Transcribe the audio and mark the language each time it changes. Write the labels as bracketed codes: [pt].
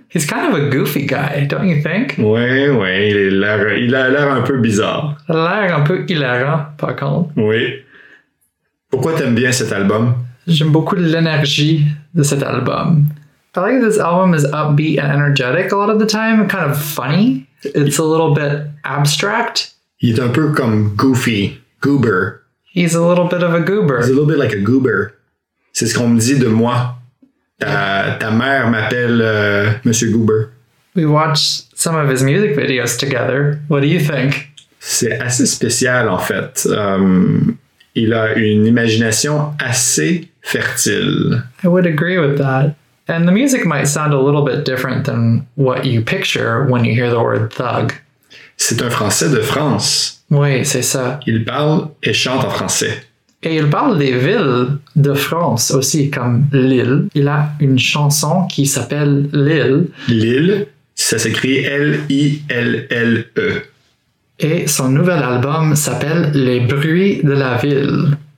[en] He's kind of a goofy guy, don't you think? [fr] Ouais, ouais, il a l'air un peu bizarre. Il a l'air un peu hilarant, par contre. Oui. Pourquoi t'aimes bien cet album? J'aime beaucoup l'énergie de cet album. [en] I like this album is upbeat and energetic a lot of the time, kind of funny. It's a little bit abstract. [fr] Il est un peu comme goofy, goober. [en] He's a little bit of a goober. He's a little bit like a goober. [fr] C'est ce qu'on me dit de moi. Ta mère m'appelle Monsieur Goober. [en] We watched some of his music videos together. What do you think? [fr] C'est assez spécial, en fait. Il a une imagination assez fertile. [en] I would agree with that. And the music might sound a little bit different than what you picture when you hear the word thug. [fr] C'est un Français de France. Oui, c'est ça. Il parle et chante en français. Et il parle des villes de France aussi, comme Lille. Il a une chanson qui s'appelle Lille. Lille, ça s'écrit L-I-L-L-E. Et son nouvel album s'appelle Les bruits de la ville.